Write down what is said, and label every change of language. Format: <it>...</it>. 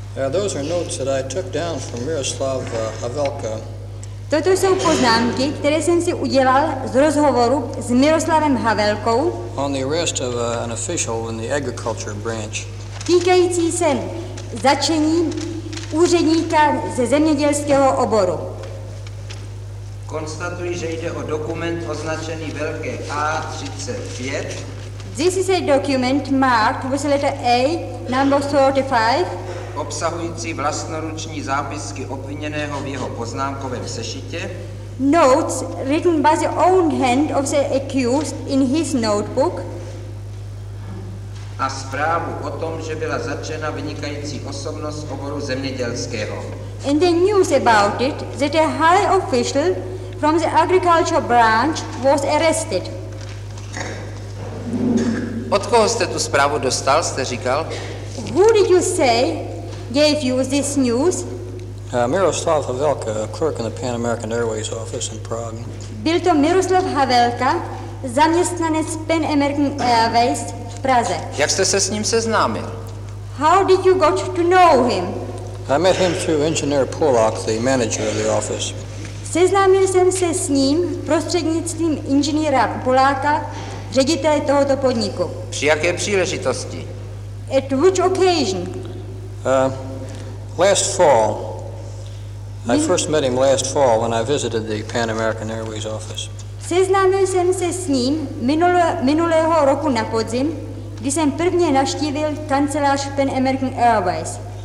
<en>Those are notes that I took down from Miroslav Havelka.</en> <cs>Toto jsou poznámky, které jsem si udělal z rozhovoru s Miroslavem Havelkou.</cs> <en>On the arrest of an official in the agriculture branch.</en> <cs>Týkající se zatčení úředníka ze zemědělského oboru. Konstatuji, že jde o dokument označený velké A35.</cs> <en>This is a document marked with the letter A, number 35.</en> <cs>Obsahující vlastnoruční zápisky obviněného v jeho poznámkovém sešitě.</cs> <en>Notes written by the own hand of the accused in his notebook.</en> <cs>A zprávu o tom, že byla zatčena vynikající osobnost oboru zemědělského.</cs> <en>And the news about it, that a high official from the agriculture branch was arrested.</en> <cs>Od koho jste tu zprávu dostal, jste říkal?</cs> <en>Who did you say gave you this news? Miroslav Havelka, a clerk in the Pan American Airways office in Prague.</en> <cs>Byl to Miroslav Havelka, zaměstnanec Pan American Airways v Praze. Jak jste se s ním seznámil?</cs> <en>How did you got to know him? I met him through engineer Pollock, the manager of the office.</en> <cs>Seznámil jsem se s ním prostřednictvím inženýra Poláka, ředitele tohoto podniku. Při jaké příležitosti?</cs> <en>At which occasion? Last fall. I first met him last fall when I visited the Pan American Airways office.</en> <cs>Seznámil jsem se s ním minulého roku na podzim, kdy jsem prvně navštívil kancelář Pan American Airways.</cs>